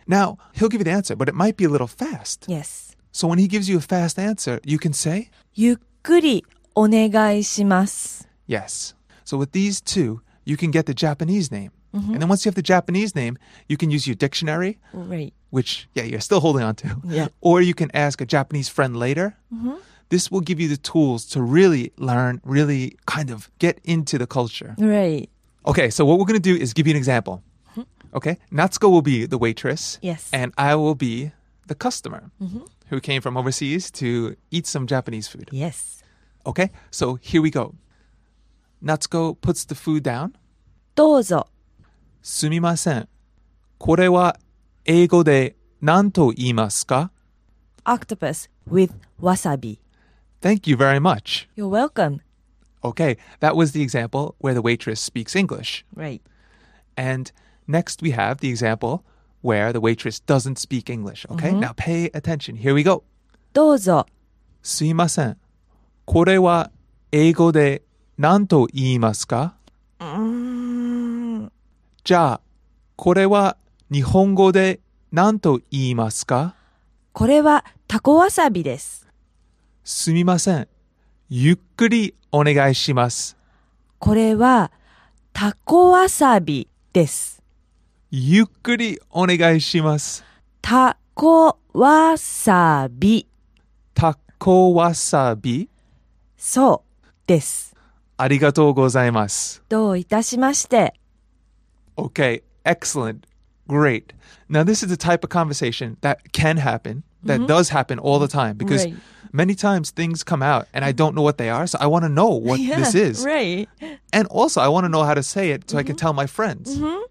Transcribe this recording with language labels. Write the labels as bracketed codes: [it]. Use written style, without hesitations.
[en] Now, he'll give you the answer, but it might be a little fast. Yes. So when he gives you a fast answer, you can say, [ja] ゆっくりお願いします。 [en] Yes. So with these two, you can get the Japanese name. Mm-hmm. And then once you have the Japanese name, you can use your dictionary. Right. Which, yeah, you're still holding on to. Yeah. Or you can ask a Japanese friend later. Mm-hmm. This will give you the tools to really learn, really kind of get into the culture. Right. Okay, so what we're going to do is give you an example. Mm-hmm. Okay, Natsuko will be the waitress. Yes. And I will be the customer mm-hmm. who came from overseas to eat some Japanese food. Yes. Okay, so here we go. Natsuko puts the food down. [ja] どうぞ. すみません. これは英語で何と言いますか? [en] Octopus with wasabi. Thank you very much. You're welcome. Okay, that was the example where the waitress speaks English. Right. And next we have the example where the waitress doesn't speak English. Okay, mm-hmm. now pay attention. Here we go. [ja] どうぞ. すいません. これは英語で何と言いますか? じゃあ、これは日本語で何と言いますか? これはタコワサビです。すみません。ゆっくりお願いします。これはタコワサビです。ゆっくりお願いします。タコワサビ。タコワサビ。そうです。ありがとうございます。どういたしまして。 [en] Okay, excellent. Great. Now, this is the type of conversation that can happen, that mm-hmm. does happen all the time, because right. many times things come out and I don't know what they are, so I want to know what yeah, this is. Right. And also, I want to know how to say it so mm-hmm. I can tell my friends. Mm-hmm.